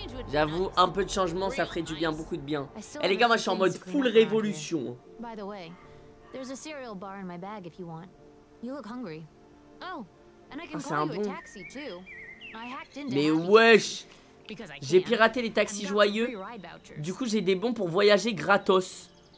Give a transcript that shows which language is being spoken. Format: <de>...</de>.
<fr>J'avoue, un peu de changement, ça ferait du bien, beaucoup de bien. Eh les gars, moi je suis en mode full révolution.</fr> <en>By the way, there's a cereal bar in my bag if you want. You look hungry. Oh, and I can call you a taxi too. I hacked into.</en> <fr>Mais wesh, j'ai piraté les taxis joyeux. Du coup, j'ai des bons pour voyager gratos.</fr>